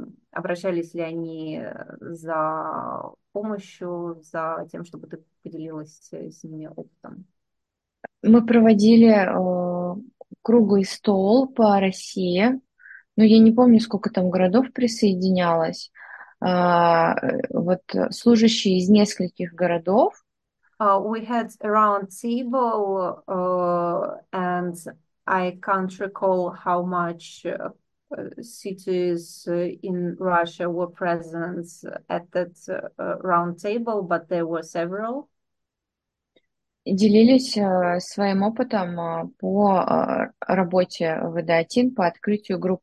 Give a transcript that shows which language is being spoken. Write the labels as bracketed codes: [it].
[ru] Обращались ли они за помощью, за тем, чтобы ты поделилась с ними опытом? Мы проводили круглый стол по России, но я не помню, сколько там городов присоединялось. Вот служащие из нескольких городов. [en] We had a round table, and I can't recall how much cities in Russia were present at that round table, but there were several. [ru] Делились своим опытом по работе в ВДАТИН по открытию групп.